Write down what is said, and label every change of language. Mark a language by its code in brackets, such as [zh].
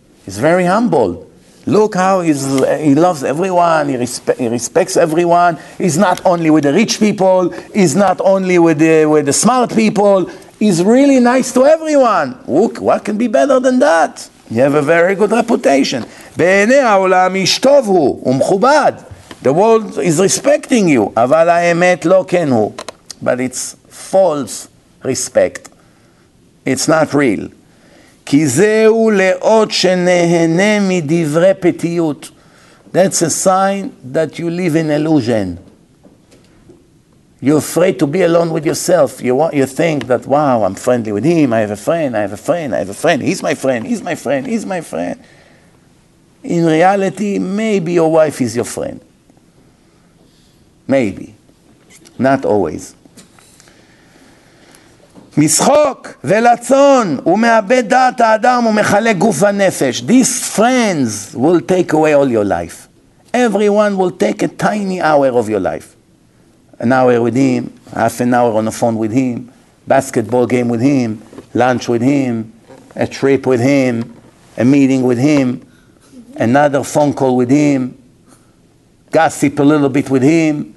[en] He's very humble. Look how he loves everyone. He respects everyone. He's not only with the rich people. He's not only with the smart people. He's really nice to everyone. Look, what can be better than that? You have a very good reputation. [he] בעיני העולם איש טוב הוא ומכובד. [en] The world is respecting you. [he] אבל האמת לא כן הוא. [en] But it's false respect. It's not real. [he] כי זהו לאות שנהנה מדברי פתיות. [en] That's a sign that you live in illusion. You're afraid to be alone with yourself. You think that, wow, I'm friendly with him. I have a friend. He's my friend. In reality, maybe your wife is your friend. Maybe. Not always. [he] משחוק ולצון ומאבד דעת האדם ומחלק גוף הנפש. [en] These friends will take away all your life. Everyone will take a tiny hour of your life. An hour with him, half an hour on the phone with him, basketball game with him, lunch with him, a trip with him, a meeting with him, another phone call with him, gossip a little bit with him.